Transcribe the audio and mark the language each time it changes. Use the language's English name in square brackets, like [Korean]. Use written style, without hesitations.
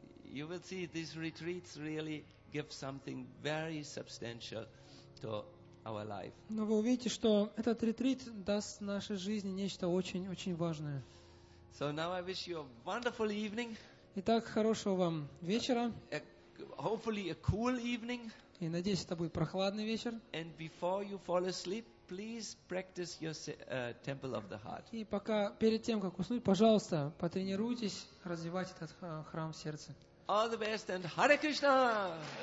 [English] you will see these retreats really give something very substantial to our life. [Russian] Но вы увидите, что этот ретрит даст нашей жизни нечто очень-очень важное. [English] So now I wish you a wonderful evening. [Russian] Итак, хорошего вам вечера. [English] Hopefully a cool evening. [Russian] И надеюсь, это будет прохладный вечер. [English] And before you fall asleep, please practice your temple of the heart. [Russian] И пока перед тем, как уснуть, пожалуйста, потренируйтесь развивать этот храм в сердце. [English] All the best and Hare Krishna!